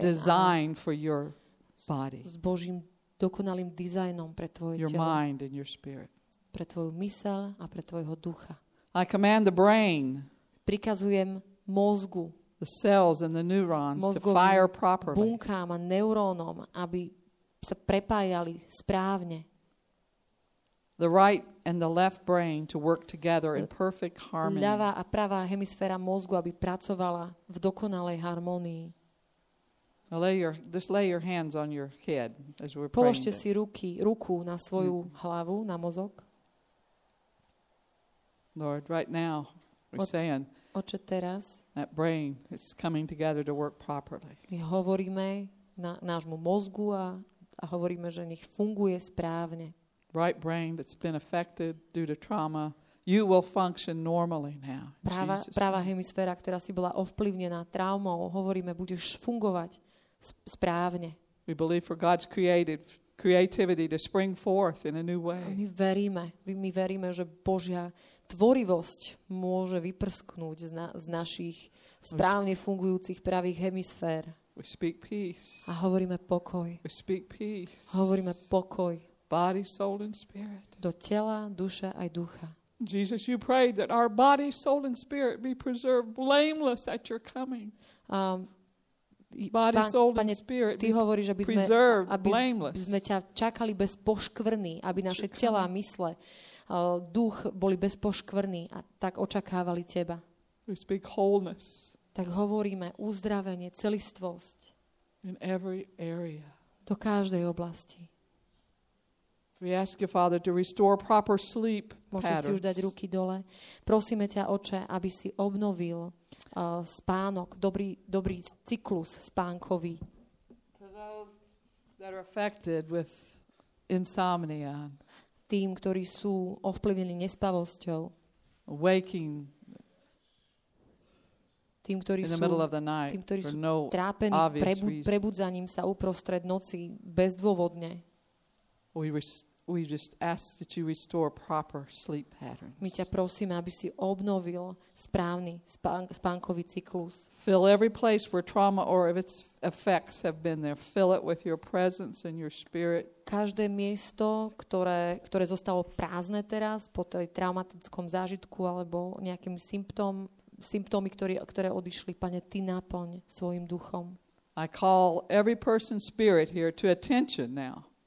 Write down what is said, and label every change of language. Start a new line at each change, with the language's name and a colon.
English: God's design for your body.
Slovak: S Božím dokonalým dizajnom pre tvoje telo.
English: Your mind and your spirit.
Slovak: Pre tvoju mysel a pre tvojho ducha.
English: I command the brain.
Slovak: Prikazujem mozgu.
English: The cells and the neurons to fire properly.
Slovak: Bunkám a neurónom, aby sa prepájali správne.
English: The right and the left brain to work together in perfect harmony.
Slovak: Ľavá a pravá hemisféra mozgu, aby pracovala v dokonalej harmonii.
English: Just lay your hands on your head as we're praying.
Slovak: Položte si ruku na svoju hlavu, na mozog.
English: Lord, right now, we're saying
Slovak: Oče, teraz,
English: that brain is coming together to work properly.
Slovak: My hovoríme nášmu mozgu a hovoríme, že nech funguje správne.
English: Right brain that's been affected due to trauma, you will function normally now.
Slovak: Pravá hemisféra, ktorá si bola ovplyvnená traumou, hovoríme, budeš fungovať správne.
English: We believe for God's creativity to spring forth in a new way.
Slovak: My veríme, že Božia tvorivosť môže vyprsknúť z našich správne fungujúcich pravých hemisfér.
English: We speak peace.
Slovak: A hovoríme pokoj.
English: We speak peace.
Slovak: Hovoríme pokoj.
English: Body, soul and spirit.
Slovak: Do tela, duše aj ducha.
English: Jesus, you prayed that our body, soul and spirit be preserved blameless at your coming. Body, soul and spirit.
Slovak: Ty hovoríš, aby sme ťa čakali bez poškvrny, aby naše tela a mysle duch boli bezpoškvrní a tak očakávali teba.
English: We speak wholeness.
Slovak: Tak hovoríme uzdravenie, celistvosť.
English: In every area.
Slovak: Do každej oblasti.
English: We ask you, Father, to restore proper sleep patterns.
Slovak: Môžeš si už dať ruky dole. Prosíme ťa, Oče, aby si obnovil spánok, dobrý cyklus spánkový.
English: To those that are affected with insomnia.
Slovak: Tým, ktorí sú ovplyvnení nespavosťou.
English: Waking.
Slovak: Tým, ktorí sú trápení prebudzaním sa uprostred noci bezdôvodne.
English: We just ask that you restore proper sleep patterns.
Slovak: My ťa prosíme, aby si obnovil správny spánkový cyklus.
English: Fill every place where trauma or its effects have been there. Fill it with your presence and your spirit.
Slovak: Každé miesto, ktoré zostalo prázdne teraz po tej traumatickom zážitku alebo nejakým symptómy, ktoré odišli. Pane, ty naplň svojim duchom.
English: I call every person's spirit here to attention now.